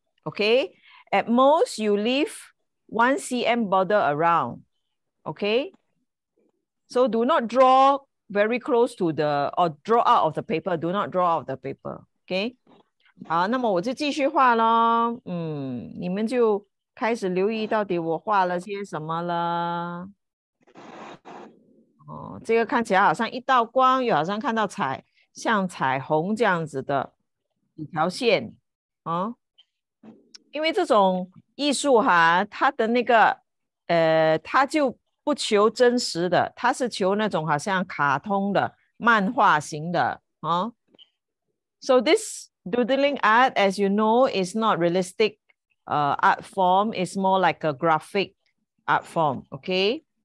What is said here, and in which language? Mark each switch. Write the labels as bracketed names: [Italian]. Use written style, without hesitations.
[English] Okay, at most you leave 1 cm border around. Okay, so do not draw very close to the, or draw out of the paper. Do not draw out of the paper. Okay. [Chinese] 好，那么我就继续画了。你们就开始留意到底我画了些什么了。这个看起来好像一道光，又好像看到彩，像彩虹这样子的一条线。因为这种艺术哈，它的那个它就不求真实的，它是求那种好像卡通的漫画型的。 [English] So this,Doodling art, as you know, is not realistic art form. It's more like a graphic art form, okay?